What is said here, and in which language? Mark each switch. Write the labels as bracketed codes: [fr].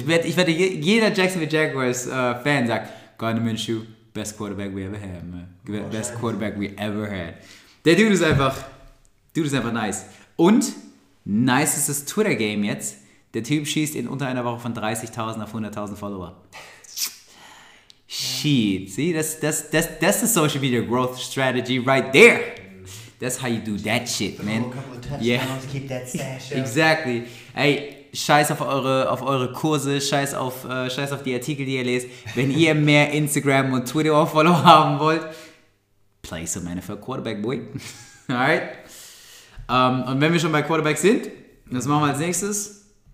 [de] Ich werde jeder Jacksonville Jaguars Fan sagt, Gardner Minshew, [en] best quarterback we ever had. [de] Man. [en] Best quarterback we ever had. [de] Der Dude ist einfach nice. Und nicestes Twitter-Game jetzt. Der Typ schießt in unter einer Woche von 30.000 auf 100.000 Follower. [en] Shit, see, that's the social media growth strategy right there. That's how you do that shit, man. Yeah. Keep that stash up. Exactly. [de] Ey, scheiß auf eure Kurse, scheiß auf die Artikel, die ihr lest. Wenn ihr mehr Instagram und Twitter Follower haben wollt, [en] play some NFL Quarterback, boy. Alright. [de] Und wenn wir schon bei Quarterback sind, das machen wir als nächstes.